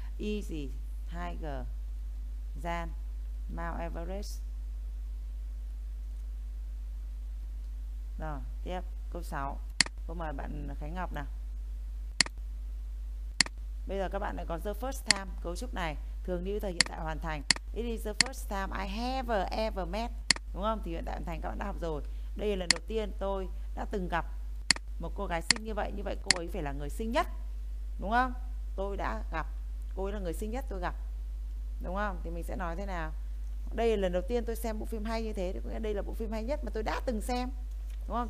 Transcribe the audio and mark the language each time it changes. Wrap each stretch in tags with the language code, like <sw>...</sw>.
<en>Easy, tiger, than Mount Everest.</en> <vi>Rồi, tiếp câu 6. Cô mời bạn Khánh Ngọc nào. Bây giờ các bạn lại có</vi> <en>the first time.</en> <vi>Cấu trúc này thường lưu thời hiện tại hoàn thành.</vi> <en>It is the first time I have ever met.</en> <vi>Đúng không? Thì hiện tại hoàn thành các bạn đã học rồi. Đây là lần đầu tiên tôi đã từng gặp một cô gái xinh như vậy. Như vậy cô ấy phải là người xinh nhất. Đúng không? Tôi đã gặp. Cô ấy là người xinh nhất tôi gặp. Đúng không? Thì mình sẽ nói thế nào? Đây là lần đầu tiên tôi xem bộ phim hay như thế. Có nghĩa đây là bộ phim hay nhất mà tôi đã từng xem. Đúng không?</vi>